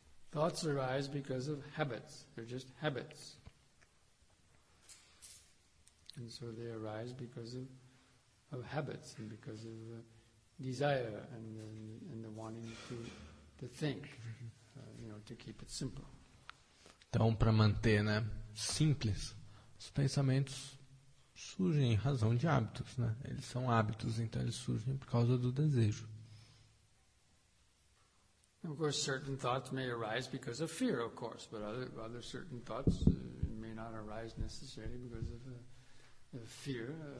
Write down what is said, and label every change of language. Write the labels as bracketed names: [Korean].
[English] Thoughts arise because of habits. They're just habits. And so they arise because of habits and because of desire and the wanting to think, you know, to keep it simple. [Portuguese] Então, para manter, né, simples, os pensamentos surgem em razão de hábitos, né? Eles são hábitos, então eles surgem por causa do desejo. [English] Of course, certain thoughts may arise because of fear, of course, but other certain thoughts may not arise necessarily because of fear.